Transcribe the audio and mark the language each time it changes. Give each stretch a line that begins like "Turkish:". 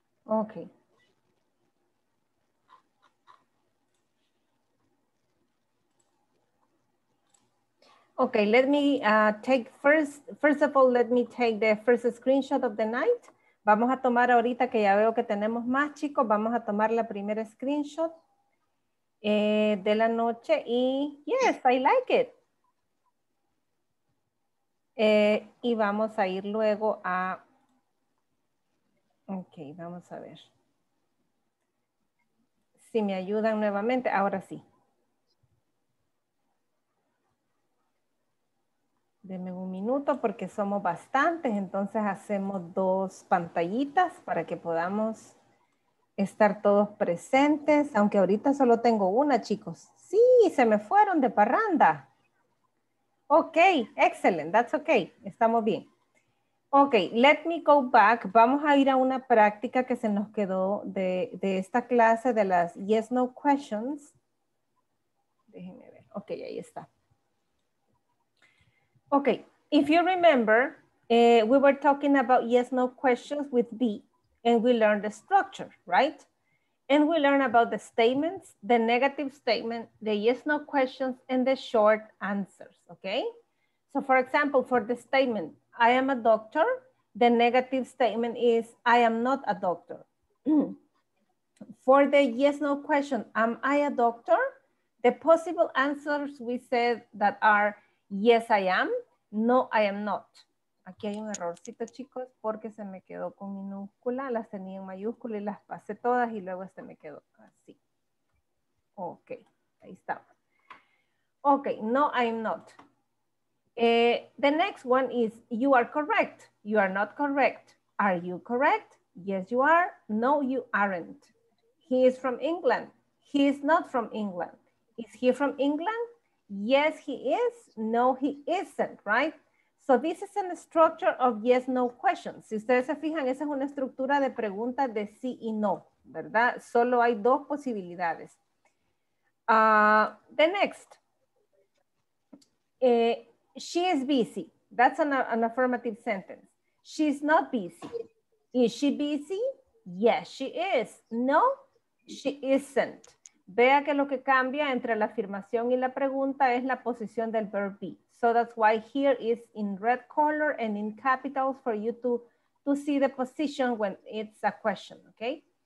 English: Okay. Okay, let me take first of all, let me take the first screenshot of the night.
Spanish: Vamos a tomar ahorita que ya veo que tenemos más chicos, vamos a tomar la primera screenshot de la noche y
English: yes, I like it.
Spanish: Y vamos a ir luego a, okay, vamos a ver. Si me ayudan nuevamente, ahora sí. Deme un minuto porque somos bastantes, entonces hacemos dos pantallitas para que podamos estar todos presentes, aunque ahorita solo tengo una, chicos. Sí, se me fueron de parranda. Ok, excelente,
English: that's ok,
Spanish: estamos bien. Ok,
English: let me go back,
Spanish: vamos a ir a una práctica que se nos quedó de esta clase de las yes, no questions. Déjenme ver, ok, ahí está.
English: Okay, if you remember, we were talking about yes, no questions with B and we learned the structure, right? And we learned about the statements, the negative statement, the yes, no questions and the short answers, okay? So for example, for the statement, I am a doctor, the negative statement is I am not a doctor. For the yes, no question, am I a doctor? The possible answers we said that are yes, I am. No, I am not.
Spanish: Aquí hay un errorcito, chicos, porque se me quedó con minúscula. Las tenía en mayúscula y las pasé todas y luego este me quedó así.
English: Ok,
Spanish: ahí está.
English: Ok, no, I am not. The next one is you are correct. You are not correct. Are you correct? Yes, you are. No, you aren't. He is from England. He is not from England. Is he from England? Yes, he is. No, he isn't, right? So this is a structure of yes, no questions.
Spanish: Si ustedes se fijan, esa es una estructura de preguntas de sí y no, ¿verdad? Solo hay dos posibilidades.
English: The next. She is busy. That's an affirmative sentence. She's not busy. Is she busy? Yes, she is. No, she isn't.
Spanish: Vea que lo que cambia entre la afirmación y la pregunta es la posición del verb be.
English: So that's why here is in red color and in capitals for you to see the position when it's a question, okay?